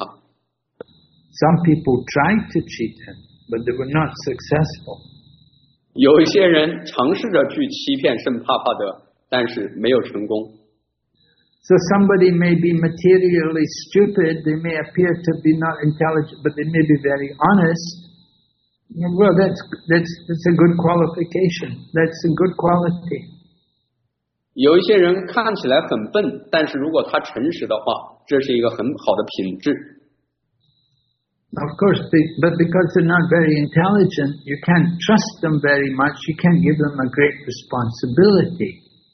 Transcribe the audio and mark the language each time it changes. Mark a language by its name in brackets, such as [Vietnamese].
[English] Some people tried to cheat him, but they were not successful. [Chinese] 有一些人尝试着去欺骗圣帕帕德, 但是没有成功。 [English] So somebody may be materially stupid, they may appear to be not intelligent, but they may be very honest. Well, that's a good qualification. That's a good quality. [Chinese] 有一些人看起来很笨, 但是如果他诚实的话, 这是一个很好的品质。 [English] Of course, but because they're not very intelligent, you can't trust them very much, you can't give them a great responsibility.